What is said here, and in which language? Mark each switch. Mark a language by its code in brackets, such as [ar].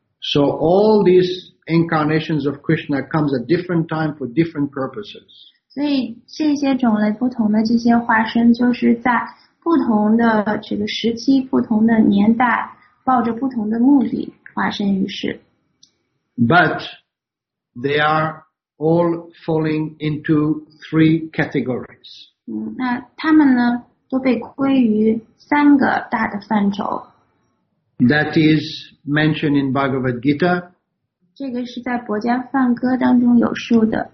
[en] So all these incarnations of Krishna comes at different time for different purposes. [zh] 所以这些种类不同的这些化身就是在不同的这个时期、不同的年代，抱着不同的目的化身于世。 [en] But they are all falling into three categories. [zh] 那他们呢？都被归于三个大的范畴。 [en] That is mentioned in Bhagavad Gita. [zh] 这个是在博迦梵歌当中有述的。